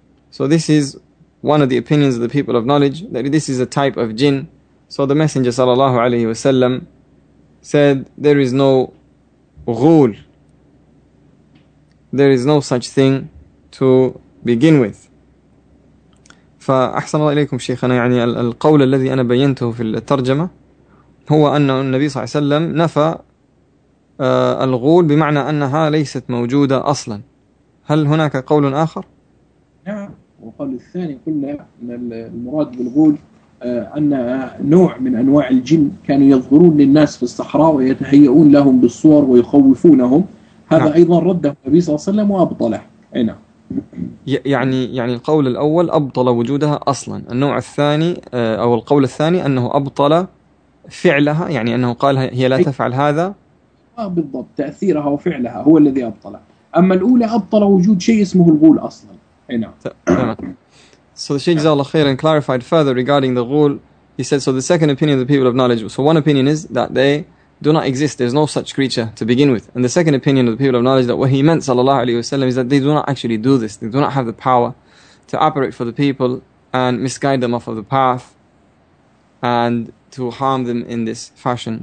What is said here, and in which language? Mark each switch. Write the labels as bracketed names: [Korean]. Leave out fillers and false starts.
[English] So this is one of the opinions of the people of knowledge, that this is a type of jinn. So the Messenger sallallahu alayhi wa sallam said, there is no ghul, there is no such thing to begin with. [Arabic] فأحسن الله إليكم شيخنا يعني القول الذي أنا بينته في الترجمة هو أن النبي صلى الله عليه وسلم نفى الغول بمعنى أنها ليست موجودة أصلا. هل هناك قول آخر؟ نعم، وقال الثاني قلنا أن المراد بالغول أن نوع من أنواع الجن كانوا يظهرون للناس في الصحراء ويتهيئون لهم بالصور ويخوفونهم، هذا نعم. أيضا رده النبي صلى الله عليه وسلم وأبطله. نعم، يعني القول الأول أبطل وجودها أصلا، النوع الثاني أو القول الثاني أنه أبطل فعلها، يعني أنه قال هي لا تفعل هذا بالضبط، تأثيرها وفعلها هو الذي أبطل. أما الأولى أبطل وجود شيء اسمه الغول أصلا. [English] So the Shaykh Jazallah Khairan clarified further regarding the ghoul. He said, so the second opinion of the people of knowledge, so one opinion is that they do not exist. There's no such creature to begin with. And the second opinion of the people of knowledge, that what he meant, sallallahu alayhi wasallam, is that they do not actually do this. They do not have the power to operate for the people and misguide them off of the path and to harm them in this fashion.